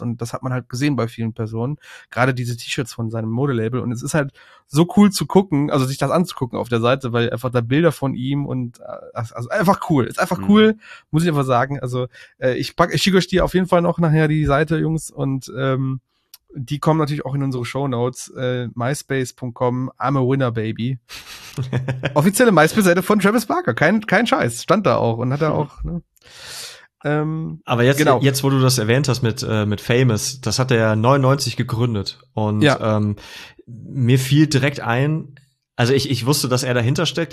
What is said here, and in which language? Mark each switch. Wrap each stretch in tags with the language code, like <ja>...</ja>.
<de>Und das hat man halt gesehen bei vielen Personen. Gerade diese T-Shirts von seinem Modelabel. Und es ist halt so cool zu gucken, also sich das anzugucken auf der Seite, weil einfach da Bilder von ihm und also einfach cool. Ist einfach cool, muss ich einfach sagen. Also ich schicke euch die auf jeden Fall noch nachher die Seite, Jungs. Und die kommen natürlich auch in unsere Shownotes.</de> <en>MySpace.com, I'm a winner, baby.</en> <de>Offizielle MySpace-Seite von Travis Barker. Kein Scheiß. Stand da auch und hat er auch. Ne? Aber jetzt, genau. Jetzt, wo du das erwähnt hast mit Famous, das hat er 99 gegründet. Und ja. Mir fiel direkt ein, also ich wusste, dass er dahinter steckt.</de>